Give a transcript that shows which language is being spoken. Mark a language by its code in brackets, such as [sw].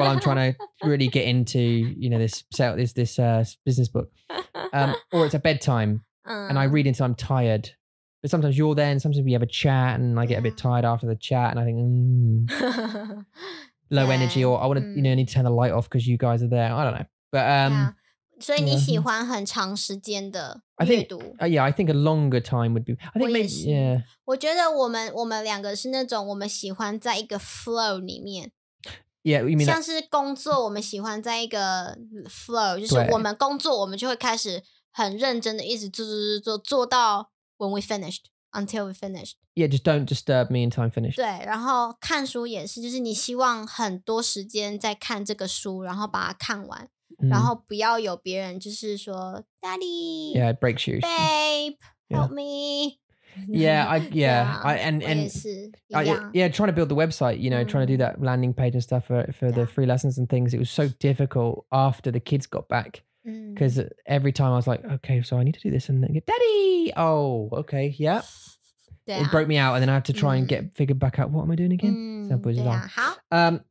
[en] Well, I'm trying to really get into, you know, this business book. Or it's a bedtime and I read until I'm tired. But sometimes you're there and sometimes we have a chat and I get a bit tired after the chat and I think, low energy or I want to, you know, I need to turn the light off because you guys are there. I don't know. But, [zh] 所以你喜欢很长时间的 [en] 阅读 I think a longer time would be I think maybe, [zh] 我觉得我们两个是那种我们喜欢在一个 flow 里面 [en] Yeah, you mean [zh] 像是工作我们喜欢在一个 flow 就是我们工作我们就会开始很认真的一直做到 [en] when we finished until we finished Yeah, just don't disturb me until I'm finished [zh] 对然后看书也是就是你希望很多时间在看这个书然后把它看完然后不要有别人就是说 Daddy [en] Yeah, it breaks you Babe, help me Yeah, trying to build the website You know, trying to do that landing page and stuff For the free lessons and things It was so difficult after the kids got back Because every time I was like Okay, so I need to do this And then get Daddy Oh, okay, yeah It broke me out And then I had to try and get figured back out What am I doing again?